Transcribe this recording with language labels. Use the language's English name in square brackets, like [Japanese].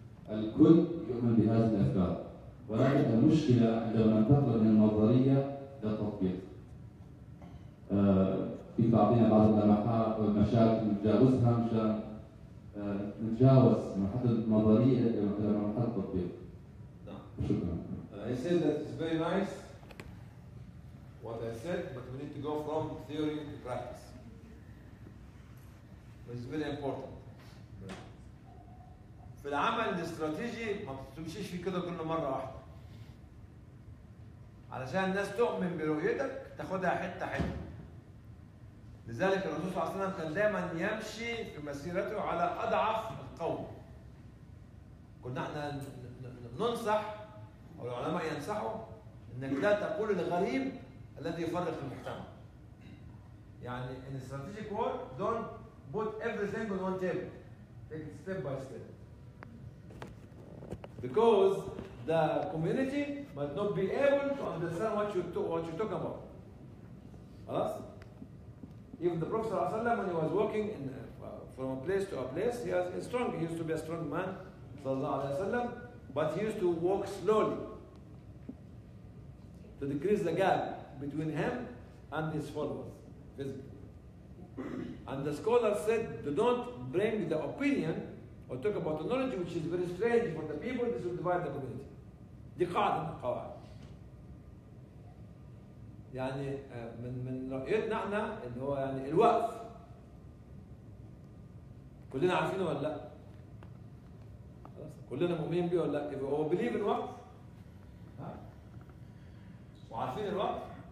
[Arabic] الكل يؤمن بهذه الأفكار ولكن المشكلة عندما ننتقل من النظرية للتطبيق. في تعطينا بعض اللمحات والمشاكل نتجاوزها مشان نتجاوز مرحلة النظرية إلى مرحلة التطبيق. شكرا. [English] I said that it's very nice what I said, but we need to go from theory to practice. But it's very important. [Arabic] في العمل الاستراتيجي ما تمشيش في كده كل مرة واحدة. علشان الناس تؤمن برؤيتك تاخدها حتة حتة. لذلك الرسول صلى الله عليه وسلم كان دائما يمشي في مسيرته على أضعف القوم. كنا احنا ننصح أو العلماء ينصحوا إنك لا تقول الغريب الذي يفرق المجتمع. [English] يعني in strategic war don't put everything on one table. take it step by step. Because the community might not be able to understand what you're talking about. Huh? Even the Prophet ﷺ, when he was walking in, from a place to a place, he was strong. He used to be a strong man, ﷺ, but he used to walk slowly to decrease the gap between him and his followers, physically. And the scholar said, don't bring the opinion or talk about the knowledge, which is very strange for the people. This will divide the community. [Arabic] دقاد القواعد. يعني من رؤيتنا احنا اللي هو يعني الوقف كلنا عارفينه ولا لا؟ خلاص كلنا مؤمنين بيه ولا لا؟ يبقى هو بليف الوقف وعارفين الوقف